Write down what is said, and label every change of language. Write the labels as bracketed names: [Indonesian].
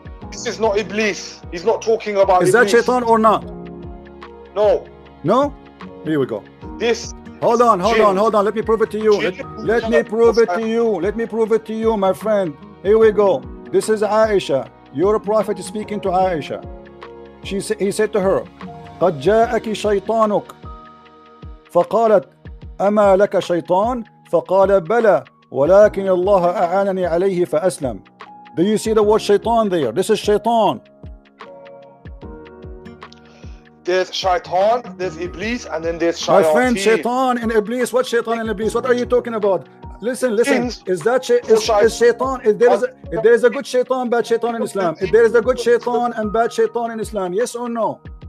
[English] This is not Iblis. He's not talking about Iblis. Is that Shaitan or not? No. No. Here we go. This. Hold on. Let me prove it to you. Let me prove it to you, my friend. Here we go. This is Aisha. Your prophet is speaking to Aisha. He said to her, [Arabic] قَدْ جَاءَكِ شَيْطَانُكَ فَقَالَتْ أَمَا لَكَ شَيْطَانُ فَقَالَ بَلَى وَلَكِنِ اللَّهَ أَعَانَنِي عَلَيْهِ فَأَسْلَمْ. [English] Do you see the word shaitan there? This is shaitan. there's shaitan, there's iblis, and then there's shayateen. My friend, shaitan and iblis, what shaitan and iblis? What are you talking about? Listen, listen, is that shaitan? If there is a good shaitan, bad shaitan in Islam? If there is a good shaitan and bad shaitan in Islam, yes or no?